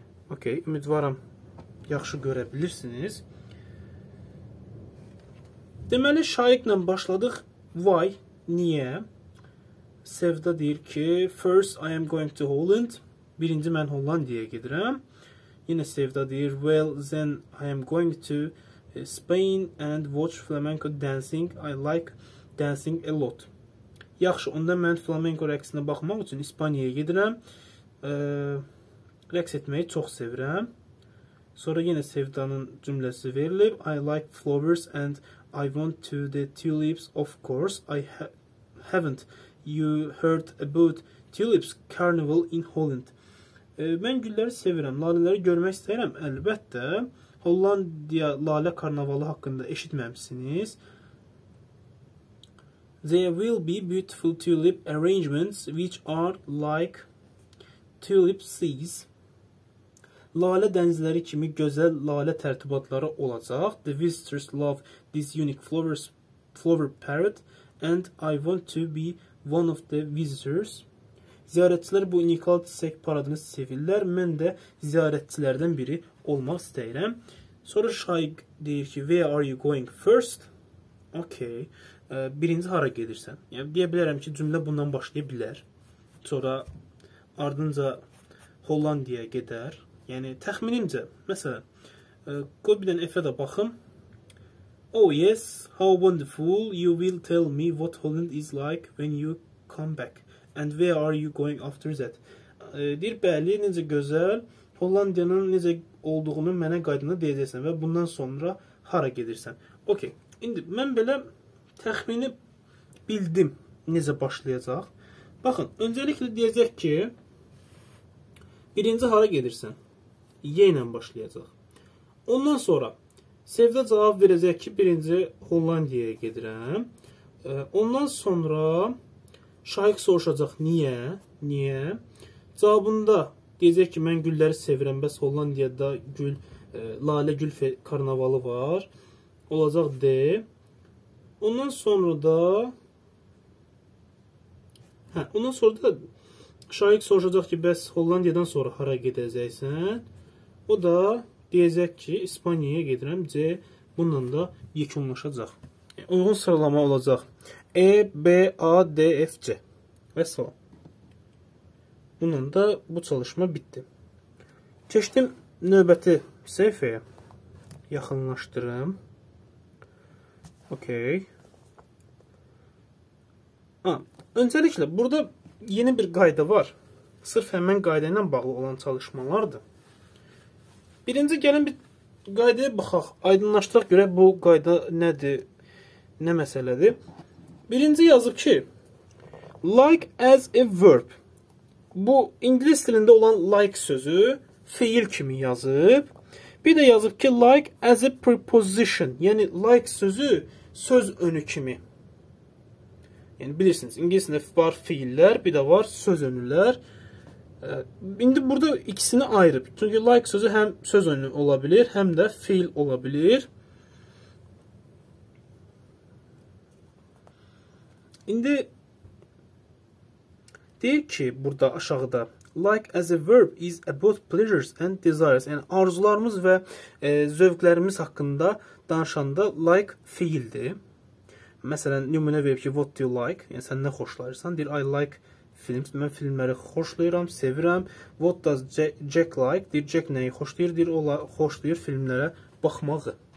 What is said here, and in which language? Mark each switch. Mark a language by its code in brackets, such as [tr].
[az] Okey, ümidvaram yaxşı görə bilirsiniz. Deməli, şayiqlə başladıq. [en] Why? [az] Niyə? Sevda deyir ki, [en] first I am going to Holland. [az] Birinci mən Hollandiyaya gedirəm. Yenə Sevda deyir, [en] well, then I am going to Spain and watch flamenco dancing. I like dancing a lot. [az] Yaxşı, onda mən flamenco rəqsinə baxmaq üçün İspaniyaya gedirəm. Rəqs etməyi çox sevirəm. Sonra yenə Sevdanın cümləsi verilib. [en] I like flowers and I want to the tulips, of course. I haven't you heard about tulips carnival in Holland. [az] Mən gülləri sevirəm. Lalələri görmək istəyirəm, əlbəttə. Hollandiya lalə karnavalı haqqında eşitməmişsiniz. [en] There will be beautiful tulip arrangements which are like tulip seas. [az] Lale dənizləri kimi gözəl lale tərtibatları olacaq. [en] The visitors love this unique flowers, flower parrot and I want to be one of the visitors. [az] Ziyarətçilər bu unikal çiçək paradını sevirlər. Mən də ziyarətçilərdən biri olmaq istəyirəm. Sonra Şayiq deyir ki, [en] where are you going first? [az] Okay, birinci hara gedirsən? Yəni, deyə bilərəm ki, cümlə bundan başlaya bilər. Sonra ardınca Hollandiyaya gedər. Yəni, təxminimcə, məsələn, qoy bir dənə F-ə də baxım. [en] Oh, yes, how wonderful, you will tell me what Holland is like when you come back. And where are you going after that? [az] Deyir, bəli, necə gözəl, Hollandiyanın necə olduğunu mənə qaydanda deyəcəksən və bundan sonra hara gedirsən. Okey, indi mən belə təxmini bildim necə başlayacaq. Baxın, öncəliklə deyəcək ki, birinci hara gedirsən? Y ilə başlayacaq. Ondan sonra Sevda cavab verəcək ki, birinci Hollandiyaya gedirəm. Ondan sonra Şayiq soruşacaq, niyə? Niyə? Cavabında deyəcək ki, mən gülləri sevirəm, bəs Hollandiyada gül, lalə gül karnavalı var. Olacaq D. Ondan sonra da Şayiq soruşacaq ki, bəs Hollandiyadan sonra hara gedəcəksən? O da deyəcək ki, İspaniyaya gedirəm. C bununla da yekunlaşacaq. Uyğun sıralama olacaq. E, B, A, D, F, C. Və salam. Bununla da bu çalışma bitdi. Keçdim növbəti səhifəyə. Yaxınlaşdırım. Okey. Öncəliklə, burada yeni bir qayda var. Sırf həmən qayda ilə bağlı olan çalışmalardır. Birinci gəlin bir qaydaya baxaq. Aydınlaşdıraq görə bu qayda nədir? Nə məsələdir? Birinci yazıb ki, [en] like as a verb. [az] Bu, ingilis dilində olan like sözü fiil kimi yazıb. Bir də yazıb ki, [en] like as a preposition. [az] Yəni, like sözü söz önü kimi. Yəni, bilirsiniz, ingilis dilində var fiillər, bir də var söz önülər. İndi burada ikisini ayırıb. Çünki like sözü həm söz önü ola bilir, həm də fiil ola bilir. İndi deyir ki, burada aşağıda [en] like as a verb is about pleasures and desires. [az] Yəni, arzularımız və zövqlərimiz haqqında danışanda like fiildir. Məsələn, nümunə verib ki, [en] what do you like? [az] Yəni, sən nə xoşlayırsan? Deyir, [en] I like films. [az] Mən filmləri xoşlayıram, sevirəm. [en] What does Jack like? [az] Deyir, Jack nəyi xoşlayır? Deyir, o xoşlayır filmlərə baxmağı.